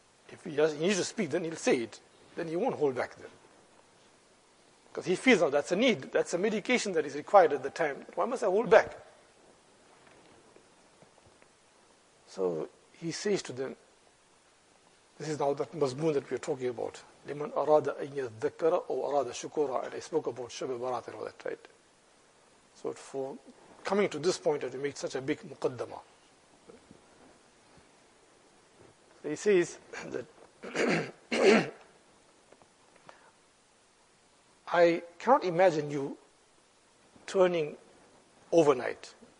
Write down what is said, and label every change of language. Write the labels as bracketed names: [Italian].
[English] If he needs to speak, then he'll say it. Then he won't hold back then. Because he feels now that's a need. That's a medication that is required at the time. Why must I hold back? So he says to them, this is now that mazmoon that we are talking about. [Arabic] لِمَنْ أَرَادَ أَنْ يَذَّكَّرَ أَوْ أَرَادَ شُكُورًا. [English] And I spoke about شَبِ بَرَاتِ and all that, right? So for coming to this point, I have to make such a big muqaddama. He says that I cannot imagine you turning overnight.